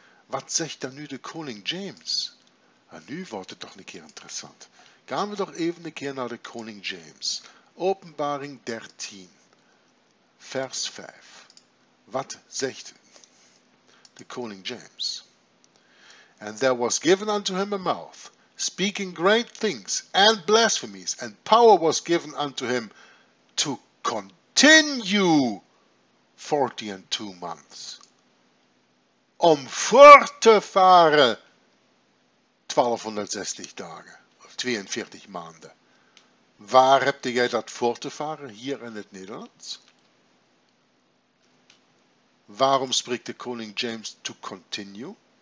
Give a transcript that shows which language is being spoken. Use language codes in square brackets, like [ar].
[nl] Wat zegt dan nu de Koning James? En nu wordt het toch een keer interessant. Gaan we toch even een keer naar de Koning James. Openbaring 13, vers 5. Wat zegt de Koning James? [en] And there was given unto him a mouth, speaking great things and blasphemies, and power was given unto him to continue 42 months. [nl] Om voor te varen 1260 dagen, of 42 maanden. Waar heb jij dat voor te varen? Hier in het Nederlands? Waarom spreekt de koning James [en] to continue?